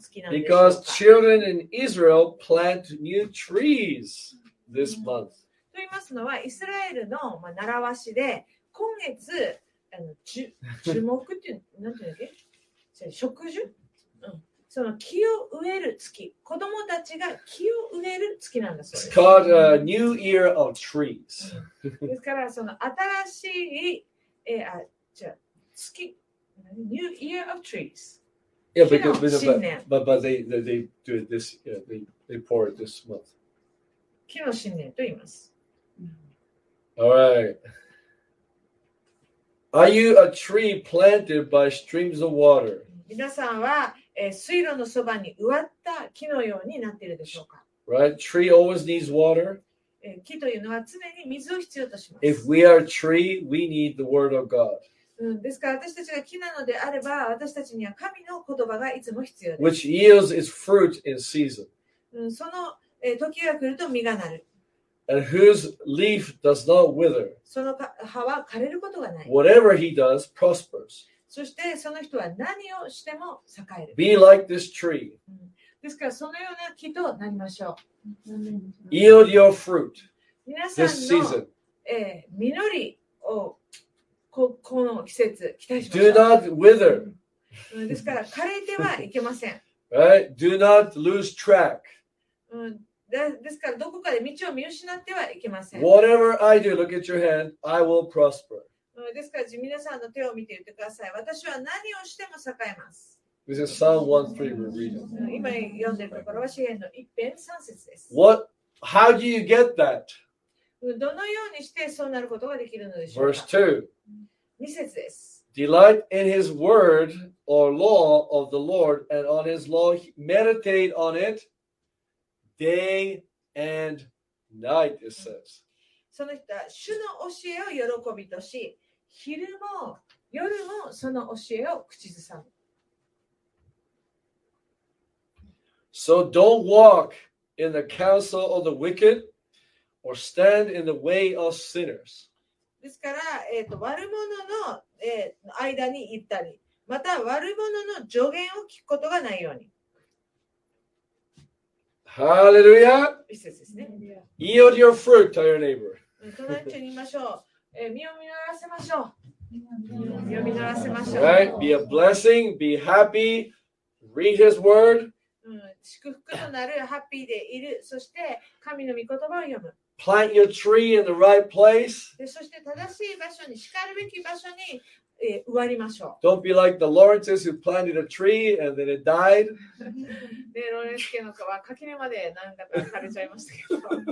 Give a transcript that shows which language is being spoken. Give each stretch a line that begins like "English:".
English: Because children in Israel plant new trees this month.
Japanese: と言いますのはイスラエルの習わしで今月樹木っていうなんていうんだっけ植樹その木を植える月、子供たちが木を植える月なんだそうです。
English: It's called a new year of trees.
Japanese: ですからその新しい月、
English: new year of trees. Yeah, but they do it this year. They pour it this month.
Japanese: 木の新年と言います。
English: All right. Are you a tree planted by streams of water?
Japanese: 皆さんは水路のそばに植わった木のようになっているでしょうか。
English: Right, tree always needs water.
Japanese: 木というのは常に水を必要とします。
English: If we are tree, we need the word of God.
Japanese: ですから私たちが木なのであれば、私たちには神の言葉がいつも必要です。
English: Which yields its fruit in season.
Japanese: その時が来ると実がなる。
English: And whose leaf does not wither.
Japanese: その葉は枯れることがない。
English: Whatever he does prospers.
Japanese: そしてその人は何をしても栄える。
English: Be like this tree.
Japanese: ですからそのような木となりましょう。
English: Yield your fruit this season.
Japanese: 皆さんの実りを この季節期待しましょう。
English: Do not wither.
Japanese: ですから枯れてはいけません。
English: Right? Do not lose track.
Japanese: ですからどこかで道を見失ってはいけません。
English: Whatever I do, look at your hand, I will prosper.
Japanese: ですから皆さんの手を見て言ってください。私は何をしても栄えます。
English: This is Psalm 1:3. We're reading.
Japanese: 今読んでいるところは詩編の一編三節です。
English: What? How do you get that?
Japanese: どのようにしてそうなることができるのでしょうか。
English: Verse 2.
Japanese: 二節です。
English: Delight in His word or law of the Lord, and on His law meditate on it day and night. It says.
Japanese: その人は主の教えを喜びとし、昼も夜もその教えを口ずさむ。
English: So don't walk in the counsel of the wicked, or stand in the way of sinners.
Japanese: ですから、悪者の、間に行ったり、また悪者の助言を聞くことがないように。
English: Hallelujah.
Japanese: 一節ですね。
English: Yield your fruit to your neighbor.
Japanese: 隣人に言いましょう。身を実らせましょう。身を実らせましょう。
English: Right. Be a blessing. Be happy. Read His word.
Japanese: 祝福となる、ハッピーでいる。そして神の御言葉を読む。
English: Plant your tree in the right place.
Japanese: で、そして正しい場所に、しかるべき場所に。植わりましょう。
English: Don't be like the Lawrences who planted a tree and then it died.
Japanese: で、ロレンス家の子は垣根までなんか枯れちゃいましたけど。